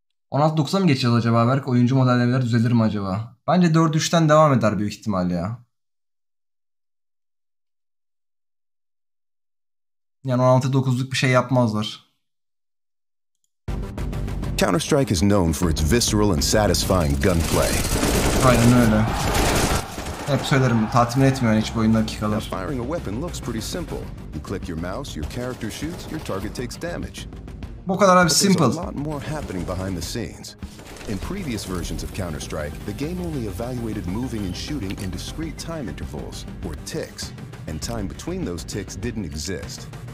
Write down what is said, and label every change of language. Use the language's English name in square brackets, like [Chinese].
[Turkish] 16-9'a mı geçeceğiz acaba Berk? Oyuncu modelleri düzelir mi acaba? Bence 4-3'ten devam eder büyük ihtimal ya. Yani 16-9'luk bir şey yapmazlar. [English] Counter-Strike is known for its visceral and satisfying gunplay. [Turkish] Aynen öyle. Hep söylerim, tatmin etmiyor yani hiç bu oyun dakikalar. [English] Firing a weapon looks pretty simple. You click your mouse, your character shoots, your target takes damage. [Turkish] Bu kadar abi simple. [English] There's a lot more happening behind the scenes. In previous versions of Counter-Strike, the game only evaluated moving and shooting in discrete time intervals, or ticks, and time between those ticks didn't exist.